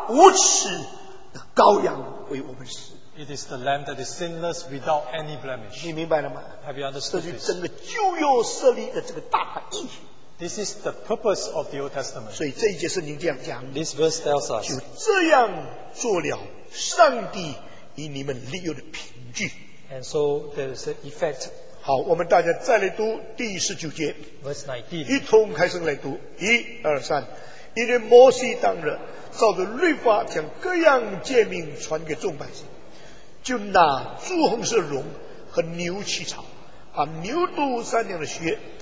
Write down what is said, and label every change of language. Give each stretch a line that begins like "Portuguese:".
Chinese: 无辜无罪无瑕无耻的羔羊为我们死,
English: it is the lamb that is sinless without any blemish.
Chinese: 你明白了吗?
English: Have you understood this?
Chinese: 这是整个旧约设立的这个大意义,
English: this is the purpose of the Old Testament.
Chinese: 所以这一节圣经这样讲,
English: this verse tells us,
Chinese: 就这样做了上帝与你们立约的凭据,
English: and so there is an effect.
Chinese: 好, 我们大家再来读第19节,
English: verse 19,
Chinese: 一同开声来读, 1, 2, 3, 因为摩西当日照着律法将各样诫命传给众百姓, 就拿朱红色绒和牛膝草，把牛犊山羊的血